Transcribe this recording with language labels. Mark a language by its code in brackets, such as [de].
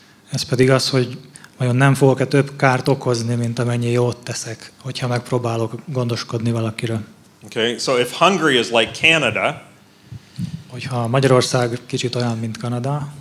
[hu] Ez pedig az, hogy vajon nem fogok-e több kárt okozni, mint amennyi jót teszek, hogyha megpróbálok gondoskodni valakiről. [en] Okay, so if Hungary is like Canada, [hu] hogyha Magyarország kicsit olyan, mint Kanada,